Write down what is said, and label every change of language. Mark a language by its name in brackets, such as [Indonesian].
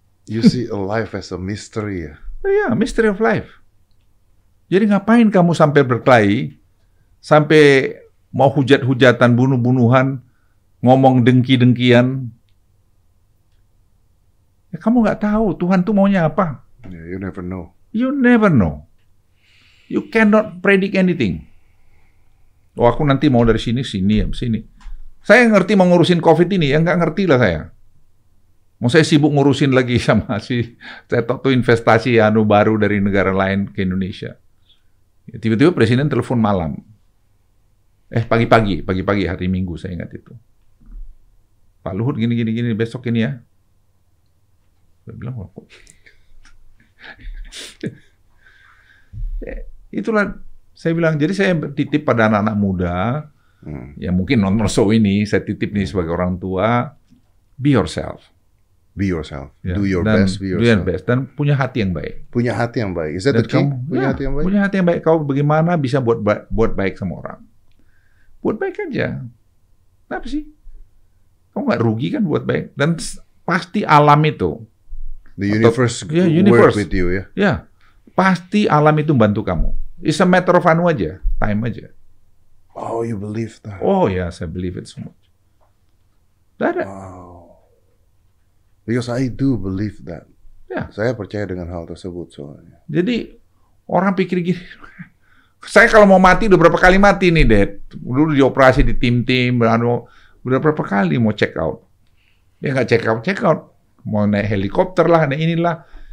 [English] You see life as a mystery. Yeah, mystery of life. [Indonesian] Jadi ngapain kamu sampai berkelahi, sampai mau hujat-hujatan, bunuh-bunuhan, ngomong dengki-dengkian? Ya, kamu nggak tahu Tuhan tuh maunya apa? [English] Yeah, you never know. You never know. You cannot predict anything. [Indonesian] Oh, aku nanti mau dari sini, sini, sini. Saya ngerti mengurusin COVID ini, ya nggak ngerti lah saya. Mau saya sibuk ngurusin lagi sama si cetok tuh investasi anu baru dari negara lain ke Indonesia. Ya, tiba-tiba presiden telepon malam. Pagi-pagi hari Minggu saya ingat itu. Pak Luhut gini-gini besok ini ya. Saya bilang apa? Itulah saya bilang. Jadi saya titip pada anak-anak muda. Ya mungkin nonton show ini saya titip nih sebagai orang tua. [English] Be yourself. Be yourself. Yeah. Do your best. Be yourself. Do your best. [Indonesian] Dan punya hati yang baik. Punya hati yang baik. [English] Is that the key? [Indonesian] Hati yang baik. Punya hati yang baik. Kau bagaimana bisa buat baik sama orang? Buat baik aja. Kenapa sih? Kau nggak rugi kan buat baik? Dan pasti alam itu. [English] The universe. Atau, universe work with you. Yeah. Yeah. [Indonesian] Pasti alam itu bantu kamu. [English] It's a matter of anu aja. Time aja. Oh, you believe that? Oh yes, I believe it so much. That. Wow. Because I do believe that. Yeah. [Indonesian] Saya percaya dengan hal tersebut soalnya. Jadi orang pikir gini, saya kalau mau mati udah berapa kali mati nih, Dad? Dulu dioperasi di tim-tim, udah berapa kali mau check out. Dia nggak check out. Mau naik helikopter lah, naik inilah.